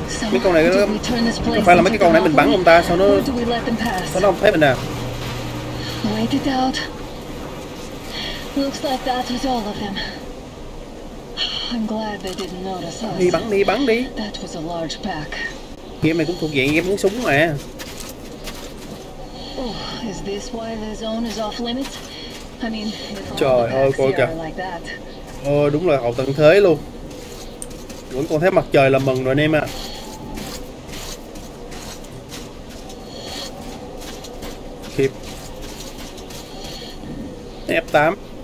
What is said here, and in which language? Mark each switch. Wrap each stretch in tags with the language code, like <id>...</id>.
<vi>Mấy con này có phải là mấy cái con nãy mình bắn không ta? Sao nó không thấy mình nè?</vi> <en>Wait it out. Looks like that was all of them. I'm glad they didn't notice us.</en> <vi>Đi bắn đi.</vi> <en>That was a large pack.</en> <vi>Game này cũng thuộc dạng game bắn súng mà.</vi> <en>Oh, is this why the zone is off limits?</en> <vi>Trời ơi coi kìa. Ôi đúng là hậu tận thế luôn. Vẫn còn thấy mặt trời là mừng rồi anh em ạ. Khiếp. F8.</vi>